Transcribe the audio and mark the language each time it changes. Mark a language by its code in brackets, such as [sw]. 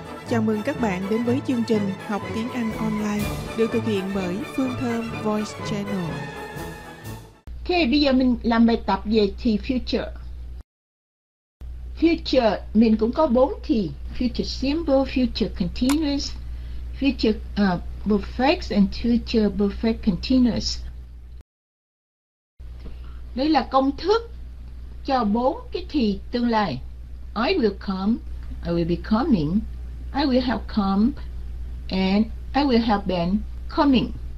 [vi] Chào mừng các bạn đến với chương trình Học Tiếng Anh Online được thực hiện bởi Phương Thơm Voice Channel. Thế bây giờ mình làm bài tập về thì future. Future, mình cũng có 4 thì. [en] Future simple, future continuous, future perfect and future perfect continuous. [vi] Đây là công thức cho 4 cái thì tương lai. [en] I will come, I will be coming, I will have come, and I will have been coming.